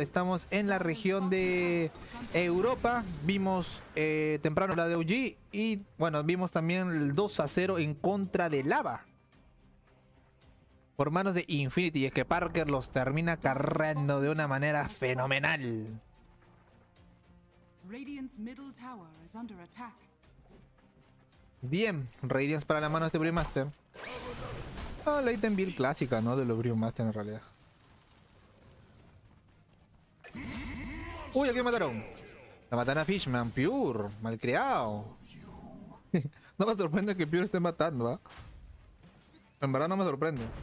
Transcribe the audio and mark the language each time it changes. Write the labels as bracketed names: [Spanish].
[Spanish] Estamos en la región de Europa, vimos temprano la de OG y bueno, vimos también el 2-0 en contra de Lava por manos de Infinity, y es que Parker los termina carreando de una manera fenomenal. [English] Radiant's middle tower is under attack. [Spanish] Bien, Radiant para la mano de este Brewmaster. Ah, la item build clásica, ¿no? De los Brewmaster en realidad. ¡Uy! ¿A quién mataron? La mataron a Fishman, Pure, malcriado. No me sorprende que Pure esté matando, ¿va? En verdad no me sorprende.